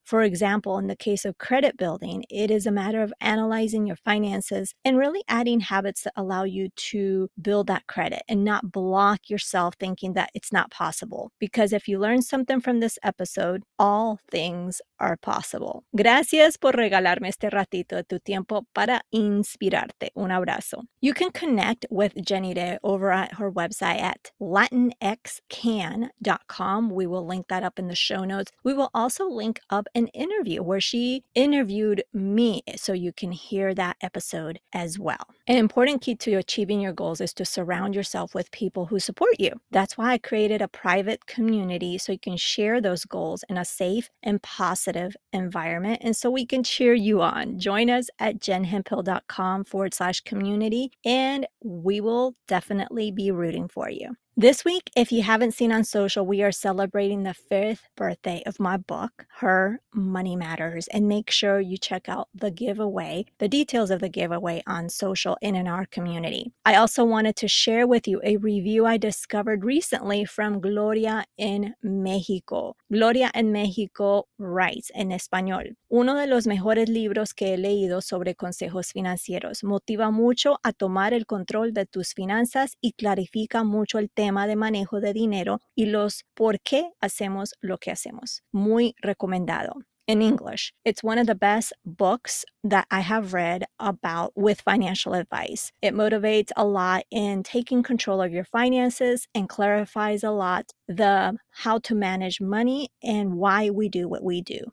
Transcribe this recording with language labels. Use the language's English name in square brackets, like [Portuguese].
[English] For example, in the case of credit building, it is a matter of analyzing your finances and really adding habits that allow you to build that credit and not block yourself thinking that it's not possible. Because if you learn something from this episode, all things are possible. [Spanish] Gracias por regalarme este ratito de tu tiempo para inspirarte. Un abrazo. [English] You can connect with Jenny Day over at her website at latinxcan.com. We will link that up in the show notes. We will also link up an interview where she interviewed me, so you can hear that episode as well. An important key to achieving your goals is to surround yourself with people who support you. That's why I created a private community so you can share those goals in a safe and positive environment, and so we can cheer you on. Join us at jenhempel.com/community, and we will definitely be rooting for you. This week, if you haven't seen on social, we are celebrating the 5th birthday of my book, Her Money Matters, and make sure you check out the giveaway, the details of the giveaway on social and in our community. I also wanted to share with you a review I discovered recently from Gloria in Mexico. Gloria in Mexico writes [Spanish] en español, uno de los mejores libros que he leído sobre consejos financieros. Motiva mucho a tomar el control de tus finanzas y clarifica mucho el tema de manejo de dinero y los por qué hacemos lo que hacemos. Muy recomendado. [English] In English, it's one of the best books that I have read about with financial advice. It motivates a lot in taking control of your finances and clarifies a lot the how to manage money and why we do what we do.